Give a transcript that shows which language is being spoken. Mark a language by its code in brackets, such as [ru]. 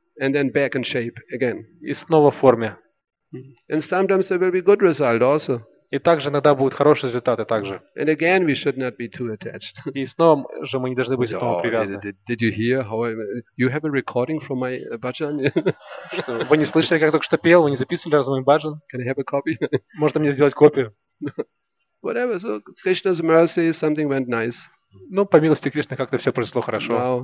[en] And then back in shape again. [ru] И снова в форме. [en] And sometimes there will be good result also. [ru] И также иногда будут хорошие результаты также. [en] And again, we should not be too attached. [ru] И снова же мы не должны быть снова привязаны. [en] Did you hear how I... You have a recording from my bhajan? [ru] Вы не слышали, как только что пел? Вы не записывали разве мой bhajan? [en] Can I have a copy? [ru] Можно мне сделать копию? [en] Whatever, so Krishna's mercy, something went nice. [ru] Ну, по милости Кришны, как-то все произошло хорошо.